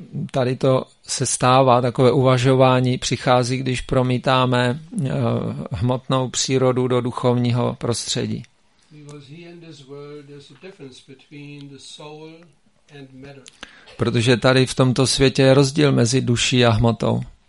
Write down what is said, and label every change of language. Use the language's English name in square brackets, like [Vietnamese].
[Czech] Tady to se stává, takové uvažování přichází, když promítáme hmotnou přírodu do duchovního prostředí. [English] Because here in this world there's a difference between the soul and matter. [Czech] Protože tady v tomto světě je rozdíl mezi duší a hmotou.